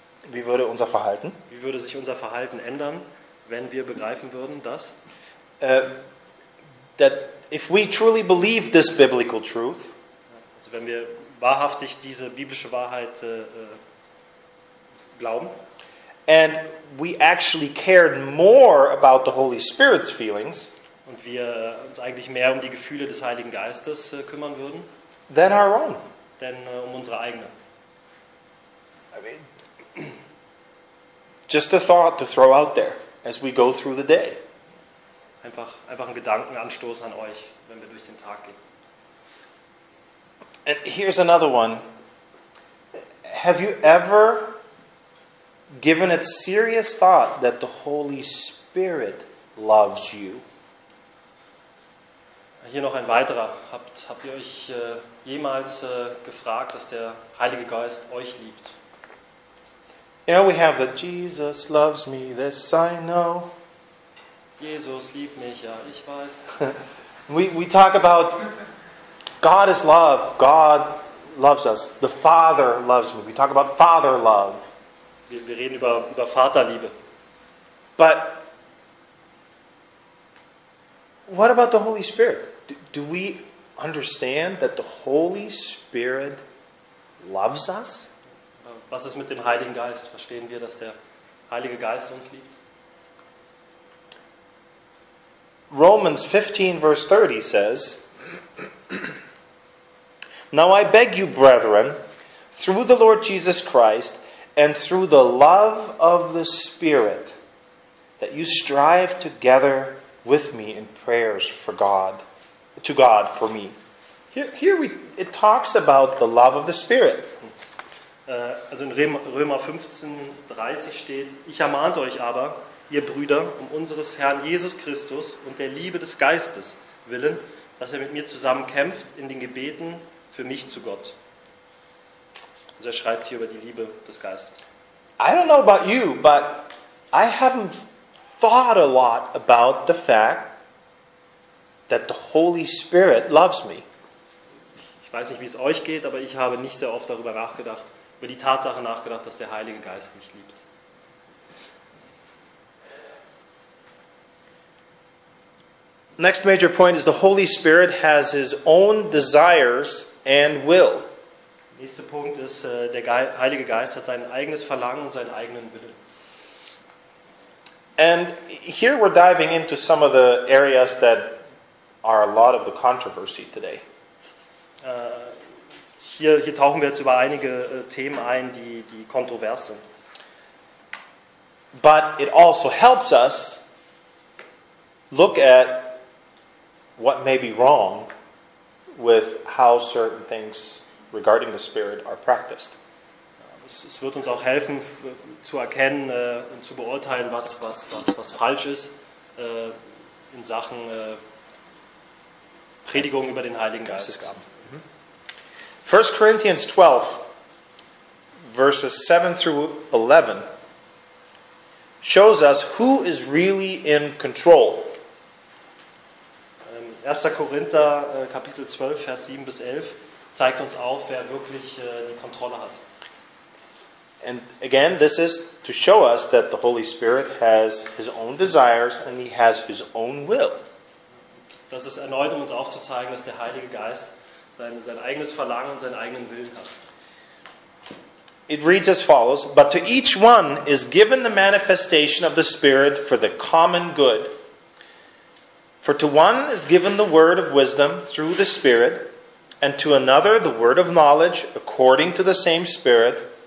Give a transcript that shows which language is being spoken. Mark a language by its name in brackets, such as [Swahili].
[German] Wie würde sich unser Verhalten ändern, wenn wir begreifen würden, dass [English] that if we truly believe this biblical truth, [German] also wenn wir wahrhaftig diese biblische Wahrheit glauben, [English] and we actually cared more about the Holy Spirit's feelings, [German] und wir uns eigentlich mehr um die Gefühle des Heiligen Geistes kümmern würden, [English] than our own, [German] denn um unsere eigene. [English] I mean, just a thought to throw out there as we go through the day. [German] Einfach einen Gedankenanstoß an euch, wenn wir durch den Tag gehen. [English] And here's another one. Have you ever given it serious thought that the Holy Spirit loves you? [German] Hier noch ein weiterer. Habt ihr euch jemals gefragt, dass der Heilige Geist euch liebt? [English] You know, we have the Jesus loves me, this I know. [German] Jesus liebt mich, ja, ich weiß. [English] We talk about God is love, God loves us, the Father loves me. We talk about Father love. [German] Wir reden über Vaterliebe. [English] But what about the Holy Spirit? Do we understand that the Holy Spirit loves us? [German] Was ist mit dem Heiligen Geist? Verstehen wir, dass der Heilige Geist uns liebt? [English] Romans 15, verse 30 says, Now I beg you, brethren, through the Lord Jesus Christ and through the love of the Spirit, that you strive together with me in prayers for God, to God for me. Here it talks about the love of the Spirit. [German] Also in Römer 15, 30 steht, Ich ermahnt euch aber, ihr Brüder, um unseres Herrn Jesus Christus und der Liebe des Geistes willen, dass er mit mir zusammen kämpft in den Gebeten für mich zu Gott. Also er schreibt hier über die Liebe des Geistes. [English] I don't know about you, but I haven't thought a lot about the fact that the Holy Spirit loves me. [German] Ich weiß nicht, wie es euch geht, aber ich habe nicht sehr oft darüber nachgedacht, über die Tatsache nachgedacht, dass der Heilige Geist mich liebt. [English] Next major point is the Holy Spirit has his own desires and will. [German] Nächster Punkt ist, der Heilige Geist hat sein eigenes Verlangen und seinen eigenen Willen. [English] And here we're diving into some of the areas that are a lot of the controversy today. [German] Hier tauchen wir jetzt über einige Themen ein, die kontrovers sind. [English] But it also helps us look at what may be wrong with how certain things regarding the Spirit are practiced. [German] Es wird uns auch helfen zu erkennen und zu beurteilen, was falsch ist in Sachen Predigung über den Heiligen Geist. [English] 1 Corinthians 12, verses 7 through 11, shows us who is really in control. 1. [German] Korinther Kapitel 12 Vers 7 bis 11 zeigt uns auf, wer wirklich die Kontrolle hat. [English] And again, this is to show us that the Holy Spirit has his own desires and he has his own will. [German] Das ist erneut, um uns aufzuzeigen, dass der Heilige Geist sein eigenes Verlangen und seinen eigenen Willen hat. [English] It reads as follows, but to each one is given the manifestation of the Spirit for the common good. For to one is given the word of wisdom through the Spirit, and to another the word of knowledge according to the same Spirit,